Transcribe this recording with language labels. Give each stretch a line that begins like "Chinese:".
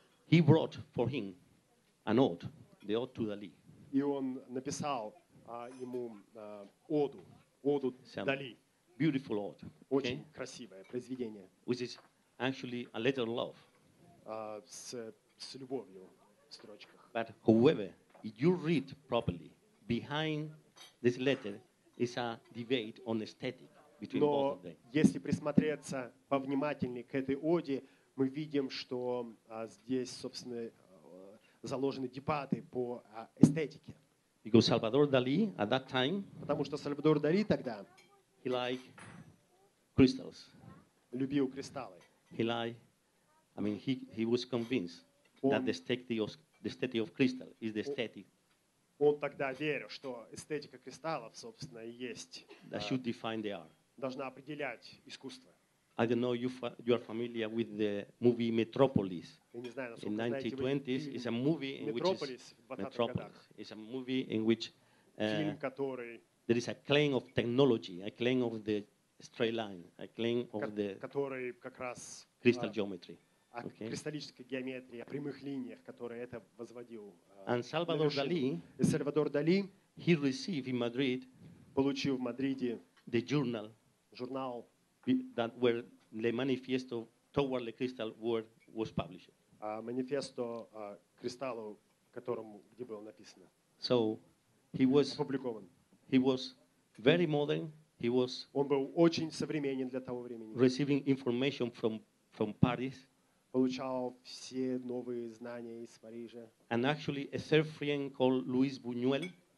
English: He brought for him an ode, the ode to Dali.
Russian: И он написал ему оду Дали.
English: Beautiful ode. Okay?
Russian: Очень красивое произведение.
English: Which is actually a letter of love.
Russian: С любовью в строчках.
English: But however, if you read properly. Behind this letter is a debate on aesthetic between
Russian: Но
English: both of them.
Russian: Но если присмотреться повнимательнее к этой оде, мы видим, что здесь, собственно, заложены дебаты по эстетике.
English: Because Salvador Dali at that time.
Russian: Потому что Сальвадор Дали тогда.
English: He liked crystals.
Russian: Любил кристаллы.
English: He liked. I mean, he was convinced
Russian: он,
English: that the aesthetic of crystal is the aesthetic.
Russian: Он тогда верил, что эстетика кристаллов, собственно, и есть.
English: That should define the art.
Russian: Должна определять искусство.
English: I don't know if you are familiar with the movie Metropolis.
Russian: Я не знаю,
English: in 1920s, it's a movie in Metropolis, which is Metropolis. It's a movie in which
Russian: фильм, который,
English: there is a claim of technology, a claim of the straight line, a claim of the
Russian: который как раз
English: crystal geometry. О okay.
Russian: кристаллической геометрии, о прямых линиях, которые это возводил.
English: And Salvador Dali,
Russian: и Сальвадор Дали
English: he received in Madrid
Russian: получил в Мадриде
English: the journal,
Russian: журнал,
English: that where the manifesto toward the crystal world was published.
Russian: Манифесто кристаллу, которому, где было написано.
English: So he was
Russian: опубликован.
English: He was very modern. He was
Russian: он был очень современен для того времени.
English: Receiving information from Paris.
Russian: Получал все новые знания из Парижа.
English: And actually a third friend called Luis Buñuel.